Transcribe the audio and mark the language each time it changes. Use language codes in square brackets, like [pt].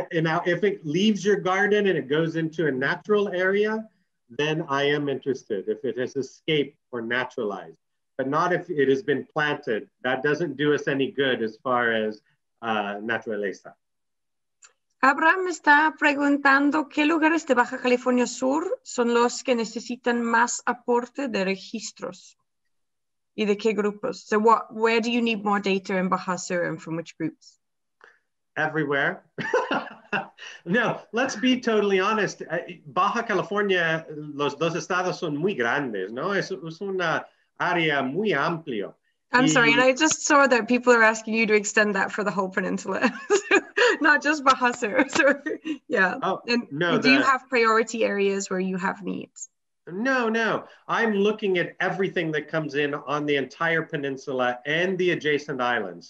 [en] Now, if it leaves your garden and it goes into a natural area, then I am interested if it has escaped or naturalized, but not if it has been planted. That doesn't do us any good as far as Naturalista. [es] Abraham está preguntando qué lugares de Baja California Sur son los que necesitan más aporte de registros. y de qué grupos? [en] So what, where do you need more data in Baja Sur and from which groups? Everywhere. No, let's be totally honest. [es] Baja California, los dos estados son muy grandes, ¿no? Es una área muy amplio. [en] I'm sorry, and I just saw that people are asking you to extend that for the whole peninsula, not just Baja Sur. So, yeah. Oh, and no, do you have priority areas where you have needs? No. I'm looking at everything that comes in on the entire peninsula and the adjacent islands.